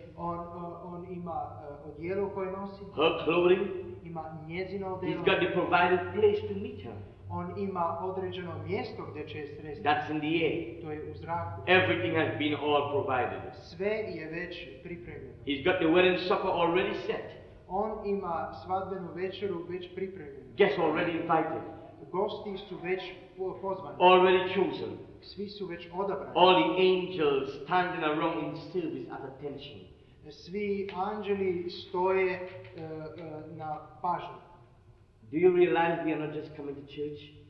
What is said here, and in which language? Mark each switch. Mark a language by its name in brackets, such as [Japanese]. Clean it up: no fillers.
[Croatian] On ima odjelo koje nosi. [English] Her clothing. [Croatian] Ima njezino odjelo. [English] He's got the provided place to meet her. [Croatian] On ima određeno mjesto gdje će sresti. [English] That's in the air. [Croatian] To je u zraku. [English] Everything has been all provided. [Croatian] Sve je već pripremljeno. [English] He's got the wedding supper already set. [Croatian] On ima svadbenu večeru već pripremljeno. [English] Guests already invited. [Croatian] Gosti su već pozvani. [English] Already chosen. [Croatian] Svi su već odabrani. [English] All the angels standing around in service at attention. [Croatian] Svi anđeli stoje na pažnji. [English] Do you realize we are not just coming to church?